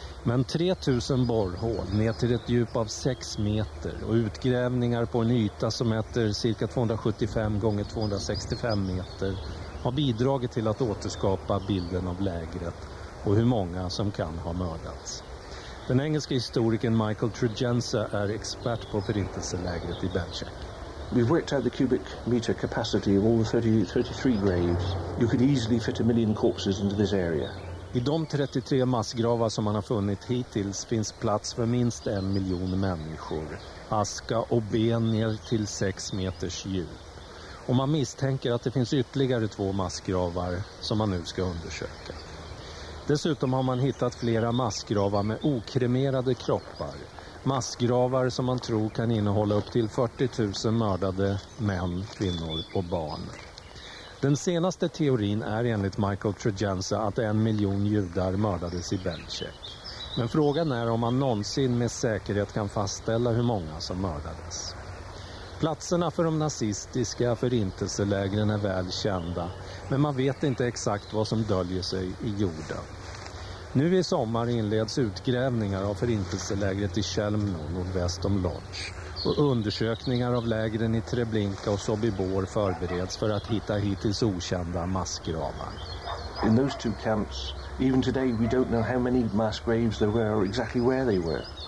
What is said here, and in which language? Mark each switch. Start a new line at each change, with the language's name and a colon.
Swedish: Men 3000 borrhål ner till ett djup av 6 meter och utgrävningar på en yta som mäter cirka 275 gånger 265 meter har bidragit till att återskapa bilden av lägret och hur många som kan ha mördats. Den engelska historikern Michael Tregenza är expert på förintelselägret i Belzec.
English: We've worked out the cubic meter capacity of all the 33 graves. You could easily fit a million corpses into this area.
Swedish: I de 33 massgravar som man har funnit hittills finns plats för minst 1 miljon människor. Aska och ben ner till 6 meters djup. Och man misstänker att det finns ytterligare 2 massgravar som man nu ska undersöka. Dessutom har man hittat flera massgravar med okremerade kroppar. Massgravar som man tror kan innehålla upp till 40 000 mördade män, kvinnor och barn. Den senaste teorin är enligt Michael Tregenza att 1 miljon judar mördades i Belzec. Men frågan är om man någonsin med säkerhet kan fastställa hur många som mördades. Platserna för de nazistiska förintelselägren är väl kända, men man vet inte exakt vad som döljer sig i jorden. Nu i sommar inleds utgrävningar av förintelselägret i Chelmno, nordväst om Lodz. Och undersökningar av lägren i Treblinka och Sobibor förbereds för att hitta hittills okända massgravar.
English: I those two camps, even today we don't know how many mass graves there were or exactly where they were.